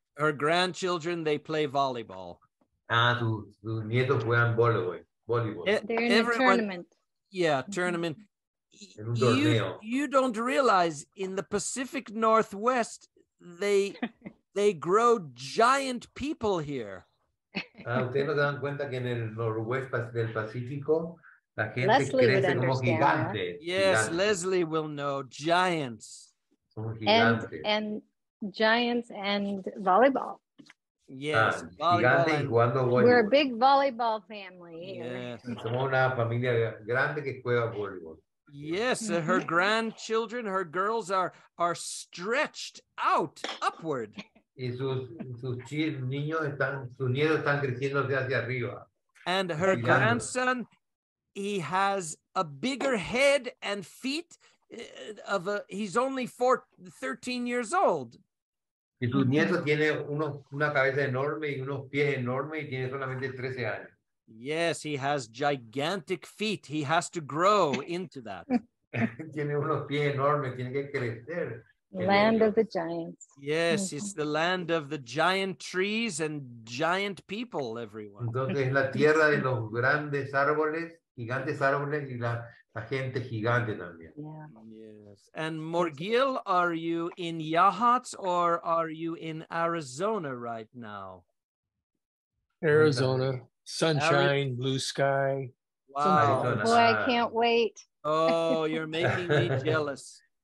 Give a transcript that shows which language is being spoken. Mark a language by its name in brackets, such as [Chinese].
[English] Her grandchildren, they play volleyball. [Spanish] Ah, tu nieto juega volleyball. [English] They're in a tournament. Yeah, tournament. You don't realize in the Pacific Northwest they they grow giant people here. [Spanish] Ustedes no se dan cuenta que en el noroeste del Pacífico la gente crece como gigante. [English] Yes, Leslie will know giants. [Spanish] Son gigantes. [English] And giants and volleyball. Yes, volleyball. We're a big volleyball family. Yes. [Spanish] Somos una familia grande que juega voleibol. [English] Yes, her grandchildren, her girls are stretched out upward. [Spanish] Y sus niños están, sus nietos están creciendo hacia arriba. [English] And her grandson, he has a bigger head and feet of a, he's only 13 years old. [Spanish] Y su nieto tiene una cabeza enorme y unos pies enormes y tiene solamente 13 años. [English] Yes, he has gigantic feet. He has to grow into that. [Spanish] Tiene unos pies enormes, tiene que crecer. [English] Land of the giants. Yes, it's the land of the giant trees and giant people, everyone. [Spanish] Entonces, la tierra de los grandes árboles, gigantes árboles, y la gente gigante también. [English] Yeah. Yes. And Morgil, are you in Yahats or are you in Arizona right now? Arizona. Sunshine, blue sky. Wow. Boy, I can't wait. Oh, you're making me jealous.